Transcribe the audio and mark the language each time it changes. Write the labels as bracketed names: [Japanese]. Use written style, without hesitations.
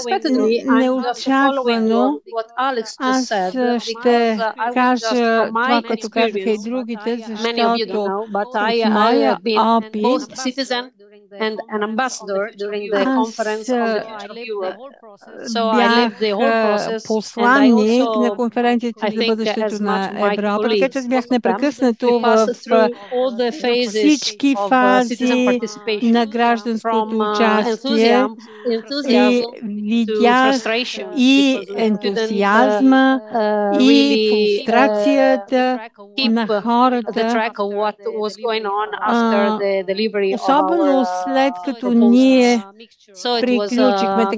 [Bulgarian] Неочаквано аз ще кажа това, като казаха и другите, защото от моя опит [English] and an ambassador during the conference on the future of Europe. So I led the whole process and I also, I think, as much my colleagues, [Bulgarian] така че бях непрекъснато в всички фази на гражданското участие и видях и ентузиазма и фрустрацията на хората, особено след като ние приключихме.